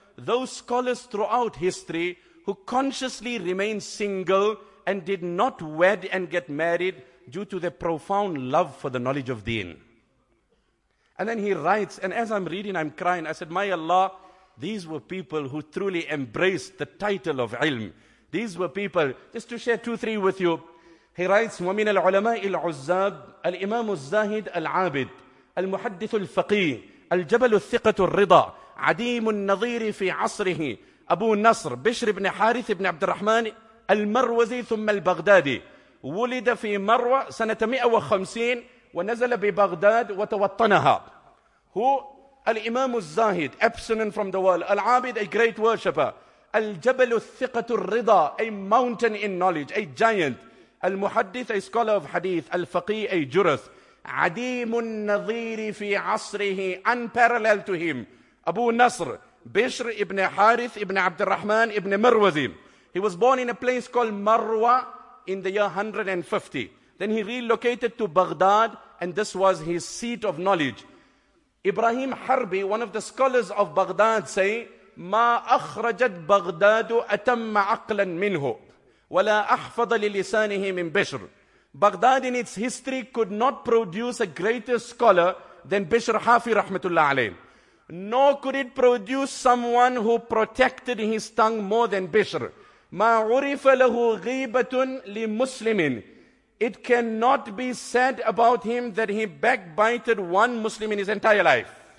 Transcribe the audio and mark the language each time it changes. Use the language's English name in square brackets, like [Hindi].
[English] Those scholars throughout history who consciously remained single and did not wed and get married due to their profound love for the knowledge of deen. And then he writes, and as I'm reading, I'm crying. I said, my Allah, these were people who truly embraced the title of ilm. These were people, just to share two, three with you. [Arabic] He writes, وَمِنَ الْعُلَمَاءِ الْعُزَّابِ الْإِمَامُ الزَّاهِدِ الْعَابِدِ الْمُحَدِّثُ الْفَقِيهِ الجبل الثقة الرضا عديم النظير في عصره أبو نصر بشر بن حارث بن عبد الرحمن المروزي ثم البغدادي ولد في مروة سنة 150 ونزل ببغداد وتوطنها. [English] Who? [Arabic] الإمام الزاهد, [English] absent from the world. [Arabic] العابد, [English] a great worshipper. [Arabic] الجبل الثقة الرضا, [English] a mountain in knowledge, a giant. [Arabic] المحدث, [English] a scholar of hadith. [Arabic] الفقيه, [English] a jurist. [Arabic] عديم النظير في عصره, [English] unparalleled to him. Abu Nasr, Bishr ibn Harith ibn Abd al-Rahman ibn Marwazi. He was born in a place called Marwa in the year 150. Then he relocated to Baghdad, and this was his seat of knowledge. Ibrahim Harbi, one of the scholars of Baghdad, say, [Arabic] ما أخرجت بغداد أتم عقلا منه ولا أحفظ للسانه من بشر. [English] Baghdad in its history could not produce a greater scholar than Bishr Hafi rahmatullah alayhi. Nor could it produce someone who protected his tongue more than Bishr. [Arabic] Ma urifa lahu ghibatun li muslimin. [English] It cannot be said about him that he backbited one Muslim in his entire life.